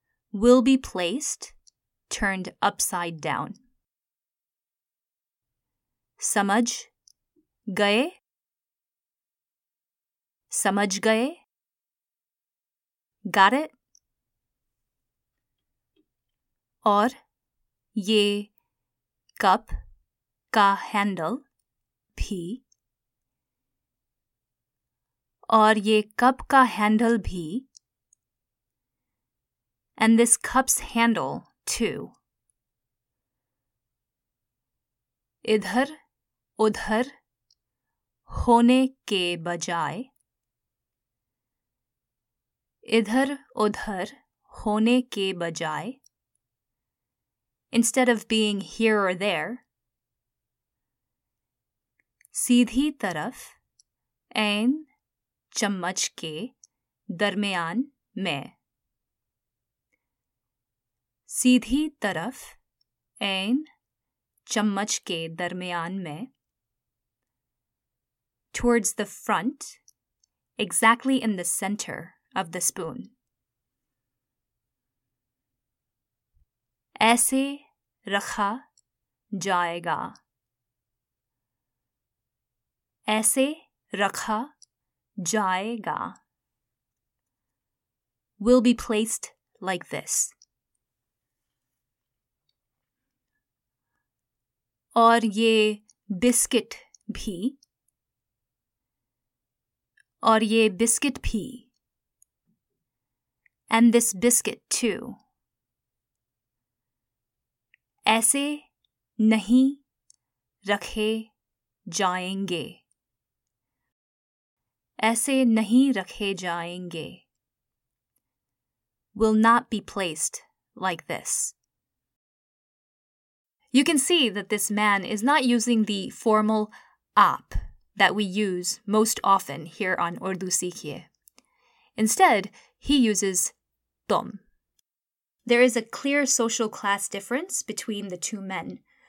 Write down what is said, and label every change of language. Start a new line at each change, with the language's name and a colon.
English: Will be placed, turned upside down.
Urdu: سمجھ گئے۔ سمجھ گئے۔
English: Got it?
Urdu: اور یہ کپ کا ہینڈل بھی۔ اور یہ کپ کا ہینڈل بھی۔
English: And this cup's handle too.
Urdu: ادھر ادھر ہونے کے بجائے۔ ادھر ادھر ہونے کے بجائے۔
English: Instead of being here or there,
Urdu: سیدھی طرف عین چمچ کے درمیان میں۔ سیدھی طرف عین چمچ کے درمیان میں۔
English: Towards the front, exactly in the center of the spoon.
Urdu: ایسے رکھا جائے گا۔ ایسے رکھا جائے گا۔
English: Will be placed like this.
Urdu: اور یہ بسکٹ بھی۔ اور یہ بسکٹ بھی۔
English: And this biscuit too.
Urdu: ایسے نہیں رکھے جائیں گے۔ ایسے نہیں رکھے جائیں گے۔
English: Will not be placed like this. You can see that this man is not using the formal aap that we use most often here on Urdu Sikhiye. Instead, he uses tum. There is a clear social class difference between the two men.